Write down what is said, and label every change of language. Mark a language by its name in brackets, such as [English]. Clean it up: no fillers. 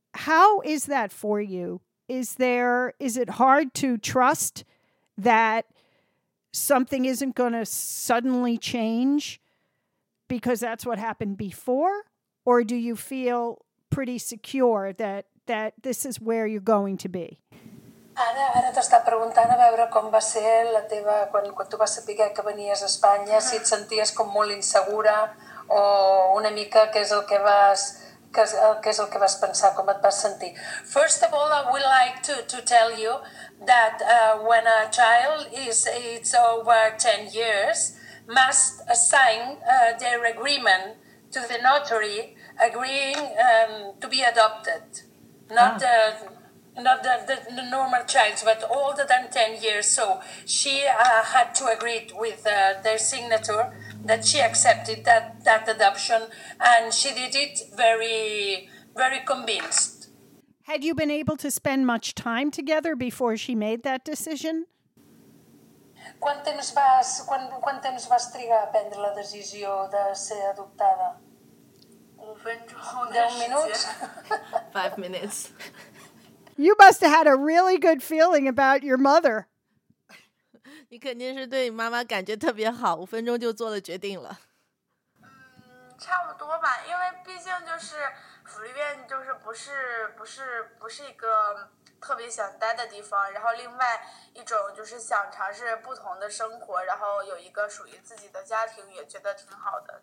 [English] How is that for you? Is it hard to trust that something isn't going to suddenly change because that's what happened before? Or do you feel pretty secure that this is where you're going to be? [Catalan] Ara t'està preguntant a veure com va ser la teva, quan tu vas saber que venies a Espanya, si et senties com molt insegura o una mica què és el que vas... [English] First of all, I would like to tell you that when a child is over 10 years, must sign their agreement to the notary, agreeing to be adopted. Not the normal child, but older than 10 years. So she had to agree with their signature that she accepted that adoption, and she did it very, very convinced. Had you been able to spend much time together before she made that decision? [Catalan] Quant temps vas trigar a prendre la decisió de ser adoptada? [English] 10 minutes? 5 minutes. You must have had a really good feeling about your mother. [Chinese] 你肯定是对妈妈感觉特别好，五分钟就做了决定了。嗯，差不多吧，因为毕竟就是福利院，就是不是一个特别想待的地方。然后另外一种就是想尝试不同的生活，然后有一个属于自己的家庭，也觉得挺好的。